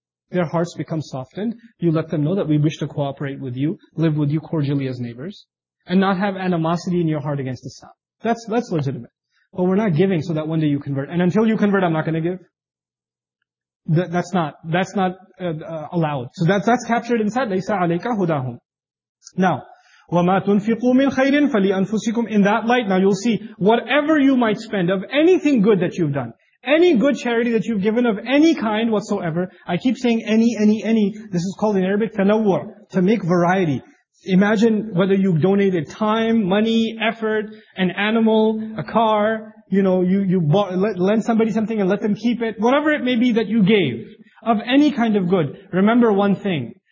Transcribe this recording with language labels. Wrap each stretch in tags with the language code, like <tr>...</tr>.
<en>Their hearts become softened. You let them know that we wish to cooperate with you, live with you cordially as neighbors, and not have animosity in your heart against Islam. That's legitimate. But we're not giving so that one day you convert. And until you convert, I'm not going to give. That's not allowed. So that's captured inside.</en> <ar>لَيْسَ عَلَيْكَ هُدَاهُمْ. Now, وَمَا تُنْفِقُوا مِنْ خَيْرٍ فَلِأَنفُسِكُمْ.</ar> <en>In that light, now you'll see, whatever you might spend of anything good that you've done, any good charity that you've given of any kind whatsoever, I keep saying any, this is called in Arabic, تَنَوَّر, to make variety. Imagine whether you donated time, money, effort, an animal, a car, you know, you lend somebody something and let them keep it, whatever it may be that you gave, of any kind of good, remember one thing.</en>